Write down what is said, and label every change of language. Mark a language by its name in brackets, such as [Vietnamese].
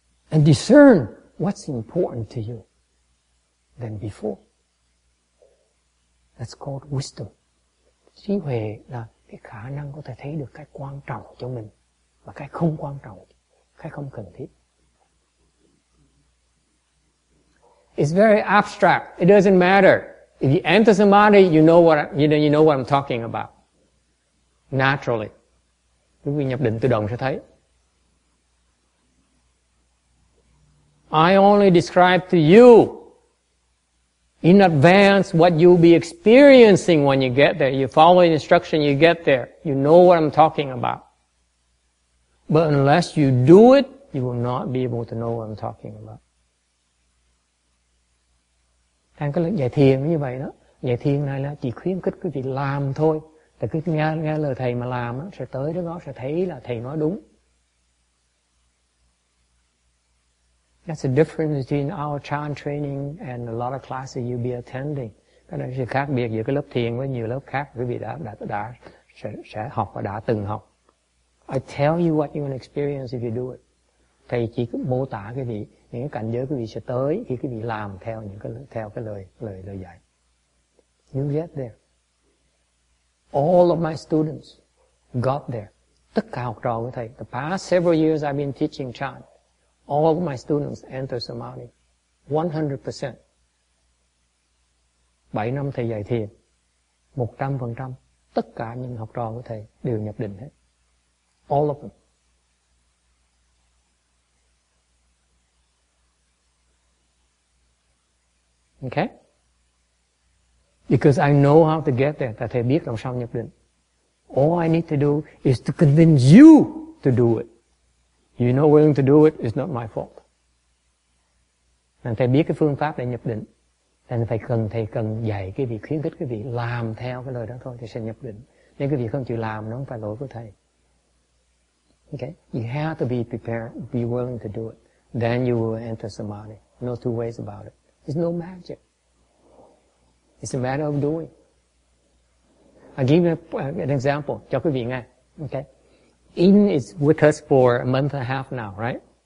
[English] and discern what's important to you than before. That's called wisdom. [Vietnamese] Trí huệ là cái khả năng có thể thấy được cái quan trọng cho mình và cái không quan trọng, cái không cần thiết. [English] It's very abstract. It doesn't matter. If you enter samadhi, you know what I'm talking about. Naturally. [Vietnamese] Quý vị nhập định tự động sẽ thấy. [English] I only describe to you in advance what you'll be experiencing when you get there. You follow the instruction, you get there. You know what I'm talking about. But unless you do it, you will not be able to know what I'm talking about. [Vietnamese] Thành cái lời giải thiền như vậy đó. Giải thiền này là chỉ khuyến khích quý vị làm thôi. Là cứ nghe lời thầy mà làm đó, sẽ tới đó sẽ thấy là thầy nói đúng. [English] That's the difference between our chan training and a lot of classes you'll be attending. [Vietnamese] Cái đó là sự khác biệt giữa cái lớp thiền với nhiều lớp khác quý vị đã sẽ học và đã từng học. [English] I tell you what you're going to experience if you do it. [Vietnamese] Thầy chỉ mô tả quý vị những cái cảnh giới quý vị sẽ tới khi quý vị làm theo những cái theo cái lời dạy. [English] You get there. All of my students got there. [Vietnamese] Tất cả học trò của thầy. [English] The past several years I've been teaching chan. All of my students enter samadhi. 100%. [Vietnamese] 7 năm thầy dạy thiền. 100%. Tất cả những học trò của thầy đều nhập định hết. [English] All of them. Okay? Because I know how to get there. [Vietnamese] Thầy biết làm sao nhập định. [English] All I need to do is to convince you to do it. You're not willing to do it, it's not my fault. [Vietnamese] Nên thầy biết cái phương pháp để nhập định. Nên thầy cần dạy cái việc khuyến khích cái việc làm theo cái lời đó thôi thì sẽ nhập định. Nếu cái việc không chịu làm nó không phải lỗi của thầy. [English] Okay? You have to be prepared, be willing to do it. Then you will enter samadhi. No two ways about it. It's no magic. It's a matter of doing. I'll give you an example. [Vietnamese] Cho quý vị nghe. [English] Okay? In is with us for a month and a half now, right?